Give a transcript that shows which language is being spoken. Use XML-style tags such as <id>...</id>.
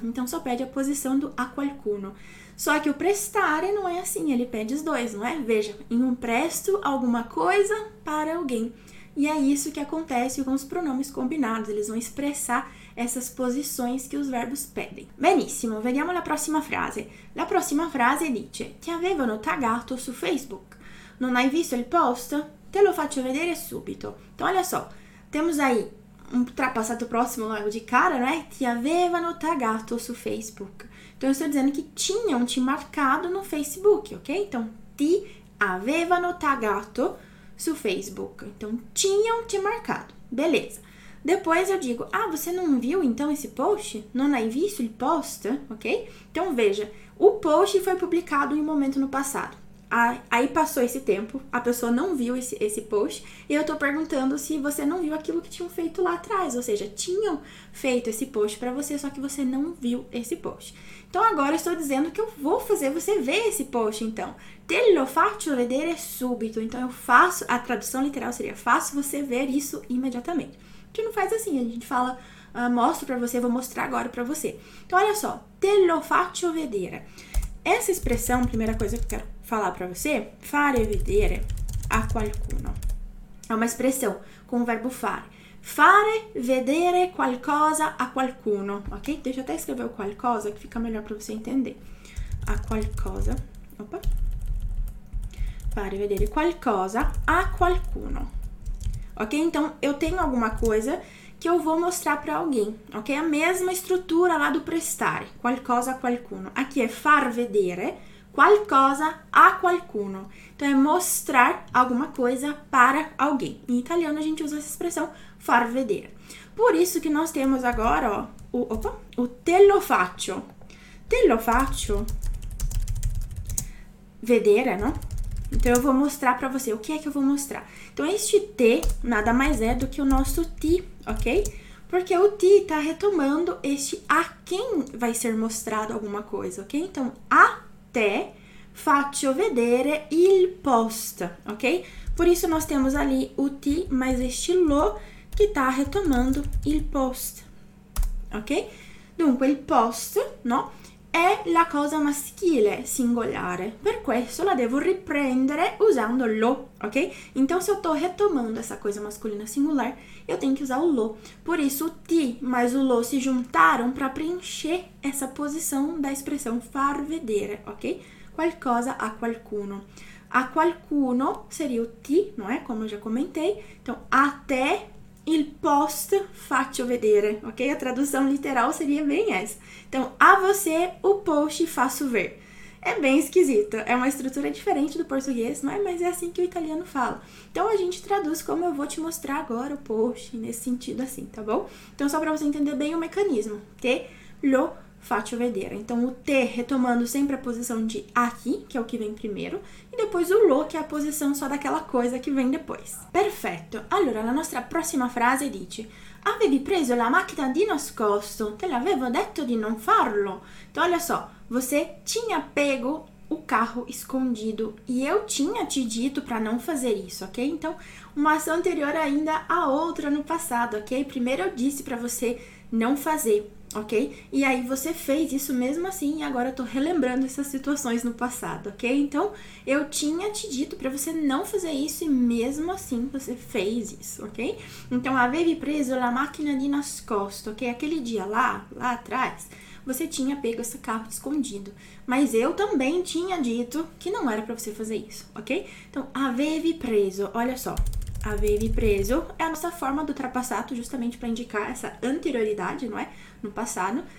<pt>Então, só pede a posição do a qualcuno. Só que o prestare não é assim, ele pede os dois, não é? Veja, empresto alguma coisa para alguém. E é isso que acontece com os pronomes combinados. Eles vão expressar essas posições que os verbos pedem.</pt> <it>Benissimo, vediamo la prossima frase. La prossima frase dice: ti avevano taggato su Facebook. Non hai visto il post? Te lo faccio vedere subito.</it> <pt>Então, olha só. Temos aí um ultrapassato próximo logo de cara, né?</pt> <it>Ti avevano taggato su Facebook.</it> <pt>Então, eu estou dizendo que tinham te marcado no Facebook, ok?</pt> <it>Então, ti avevano taggato su Facebook.</it> <pt>Então, tinham te marcado. Beleza. Depois eu digo, ah, você não viu então esse post?</pt> <it>Non hai visto il post?</it> <pt>Ok? Então, veja, o post foi publicado em um momento no passado. Aí passou esse tempo, a pessoa não viu esse post, e eu tô perguntando se você não viu aquilo que tinham feito lá atrás, ou seja, tinham feito esse post para você, só que você não viu esse post. Então, agora eu estou dizendo que eu vou fazer você ver esse post, então.</pt> <it>Te lo faccio vedere subito.</it> <pt>Então, eu faço, a tradução literal seria, faço você ver isso imediatamente. A gente não faz assim, a gente fala, mostro para você, vou mostrar agora para você. Então, olha só,</pt> <it>te lo faccio vedere.</it> <pt>Essa expressão, primeira coisa que eu quero falar para você, fare vedere a qualcuno. É uma expressão com o verbo fare.</pt> <it>Fare vedere qualcosa a qualcuno, ok?</it> <pt>Deixa eu até escrever o qualcosa, que fica melhor para você entender.</pt> <it>A qualcosa, opa. Fare vedere qualcosa a qualcuno, ok?</it> <pt>Então, eu tenho alguma coisa que eu vou mostrar para alguém, ok? A mesma estrutura lá do prestare, qualcosa a qualcuno.</pt> <it>Aqui é far vedere qualcosa a qualcuno.</it> <pt>Então, é mostrar alguma coisa para alguém. Em italiano, a gente usa essa expressão far vedere. Por isso que nós temos agora, ó, o te lo faccio.</pt> <it>Te lo faccio vedere, não?</it> <pt>Então, eu vou mostrar para você. O que é que eu vou mostrar? Então, este te nada mais é do que o nosso ti, ok? Porque o ti está retomando este a quem vai ser mostrado alguma coisa, ok?</pt> <it>Então, a te faccio vedere il post, ok?</it> <pt>Por isso, nós temos ali o ti mais este lo que está retomando il post, ok?</pt> <it>Dunque, il post, no? È la cosa maschile, singolare. Per questo la devo riprendere usando lo, ok?</it> <pt>Então, se eu tô retomando essa coisa masculina singular, eu tenho que usar o lo. Por isso, o ti mais o lo se juntaram para preencher essa posição da expressão far vedere, ok?</pt> <it>Qualcosa a qualcuno.</it> <pt>A qualcuno seria o ti, não é? Como eu já comentei. Então, até il post faccio vedere, ok? A tradução literal seria bem essa. Então, a você, o post faço ver. É bem esquisito, é uma estrutura diferente do português, não é? Mas é assim que o italiano fala. Então, a gente traduz como eu vou te mostrar agora o post, nesse sentido assim, tá bom? Então, só para você entender bem o mecanismo.</pt> <it>Te lo faccio vedere.</it> <pt>Então, o te retomando sempre a posição de aqui, que é o que vem primeiro, e depois o lo, que é a posição só daquela coisa que vem depois.</pt> <it>Perfetto. Allora, la nostra prossima frase dice: avevi preso la macchina di nascosto, te l'avevo detto di non farlo.</it> <pt>Então, olha só, você tinha pego o carro escondido e eu tinha te dito para não fazer isso, ok? Então, uma ação anterior ainda a outra no passado, ok? Primeiro eu disse para você não fazer, Ok? E aí você fez isso mesmo assim, e agora eu tô relembrando essas situações no passado, ok? Então eu tinha te dito para você não fazer isso, e mesmo assim você fez isso, ok?</pt> <it>Então, avevi preso la macchina di nascosto, ok?</it> <pt>Aquele dia lá atrás, você tinha pego esse carro escondido. Mas eu também tinha dito que não era para você fazer isso, ok? Então, avevi preso, olha só. Avevi preso é a nossa forma do ultrapassato, justamente para indicar essa anterioridade, não é? No passado.</pt>